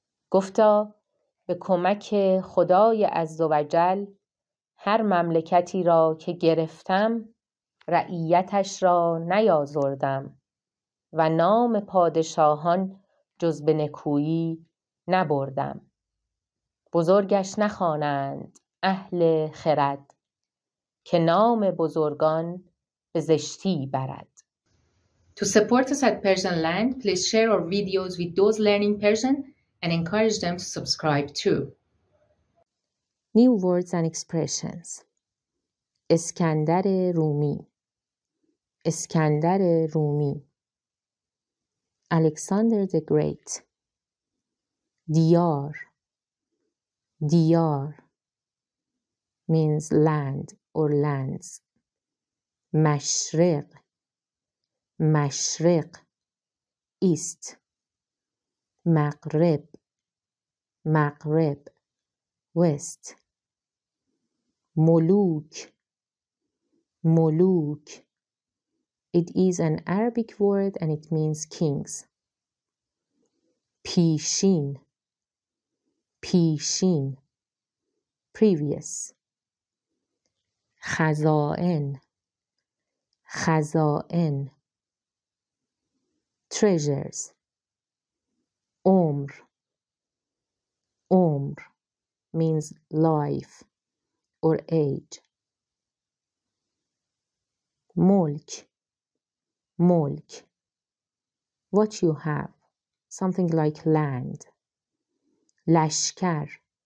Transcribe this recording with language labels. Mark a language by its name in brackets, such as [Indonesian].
[Persian] گفتا به کمک خدای عزوجل هر مملکتی را که گرفتم رعیتش را نیازردم و نام پادشاهان جز به نکویی نبردم. بزرگش نخوانند اهل خرد، که نام بزرگان به زشتی برد. [English] To support us at Persian Land, please share our videos with those learning Persian and encourage them to subscribe too. New words and expressions. [Persian] اسکندر رومی. اسکندر رومی. [English] Alexander the Great. دیار. دیار means land or lands. [Persian] مشرق. مشرق ایست. مغرب. مغرب وست. ملوک. [English] ملوک It is an Arabic word and it means kings. [Persian] پیشین. [English] پیشین previous. [Persian] خزائن. [English] خزائن treasures. [Persian] عمر. [English] عمر means life or age. ملک. ملک what you have, something like land. لشکر.